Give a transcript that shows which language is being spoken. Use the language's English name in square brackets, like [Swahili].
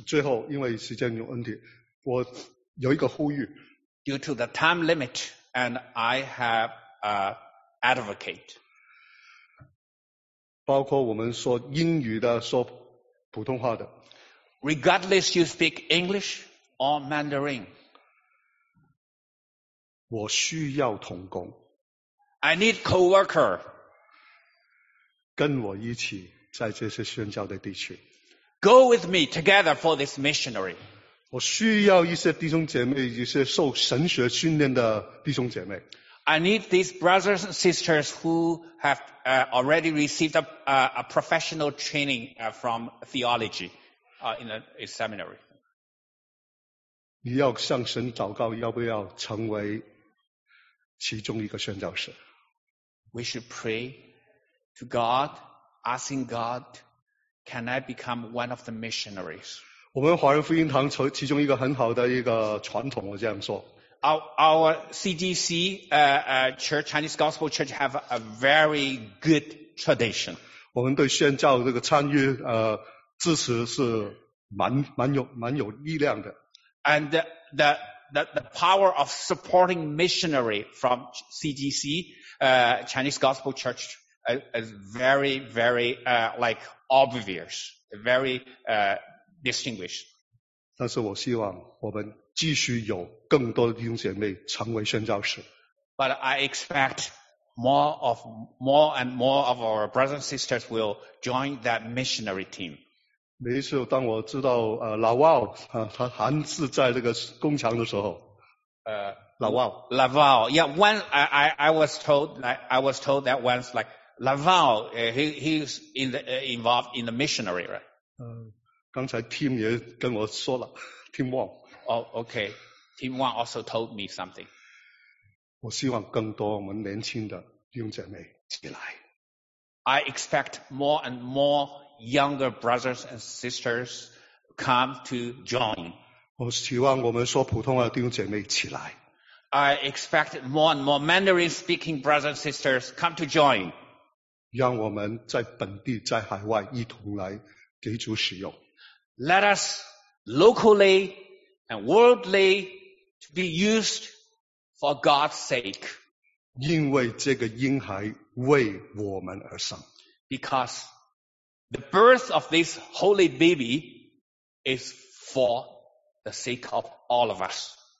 [Chinese] 最后，因为时间有问题, 我有一个呼吁, [English] due to the time limit, and I have an advocate. [Chinese] 包括我们说英语的，说普通话的。 [English] regardless you speak English or Mandarin. [Chinese] 我需要同工。 [English] I need co-worker. [Chinese] 跟我一起在这些宣教的地区。 [English] Go with me together for this missionary. [Chinese] 我需要一些弟兄姐妹，一些受神学训练的弟兄姐妹。 [English] I need these brothers and sisters who have already received a professional training from theology in a seminary. [Chinese] 你要向神祷告，要不要成为其中一个宣教士？ [English] We should pray to God, asking God, can I become one of the missionaries? [Chinese] 我们华人福音堂其中一个很好的一个传统，我这样说。 [English] Our CGC, Church, Chinese Gospel Church have a very good tradition. [Chinese] 我们对宣教这个参与支持是蛮有力量的。 [English] And the power of supporting missionary from CGC, Chinese Gospel Church is very, very, like obvious, very, distinguished. [Chinese] 但是我希望我们继续有更多的弟兄姐妹成为宣教士。 [English] But I expect more and more of our brothers and sisters will join that missionary team. [Chinese] 每一次当我知道Laval, 他还是在这个工厂的时候。 [English] Laval. Yeah, I was told that once, Laval, he's involved in the missionary, right? [Chinese] 刚才 Tim 也跟我说了 ,Tim Wong。 [English] Oh, okay. Tim Wong also told me something. [Chinese] 我希望更多我们年轻的弟兄姐妹起来。 [English] I expect more and more younger brothers and sisters come to join. [Chinese] 我希望我们说普通话的弟兄姐妹起来。 [English] I expect more and more Mandarin speaking brothers and sisters come to join. [Chinese] 让我们在本地在海外一同来给主使用。 [English] Let us locally and worldly to be used for God's sake. [Chinese] 因为这个婴孩为我们而生。 [English] Because the birth of this holy baby is for the sake of all of us.